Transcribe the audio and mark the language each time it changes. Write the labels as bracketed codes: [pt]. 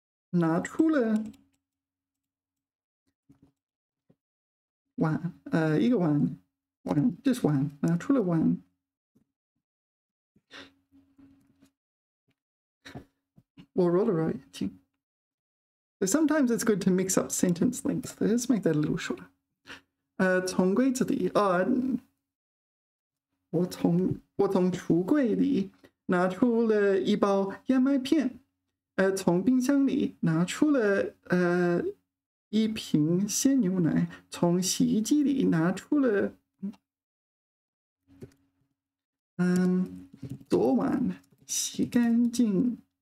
[zh] 拿出了碗，一个碗 ，just 碗，拿出了碗，我揉了揉眼睛。 [en] So sometimes it's good to mix up sentence lengths. Let's make that a little shorter. [zh] 从柜子里，我从橱柜里拿出了一包燕麦片，从冰箱里拿出了一瓶鲜牛奶，从洗衣机里拿出了昨晚洗干净。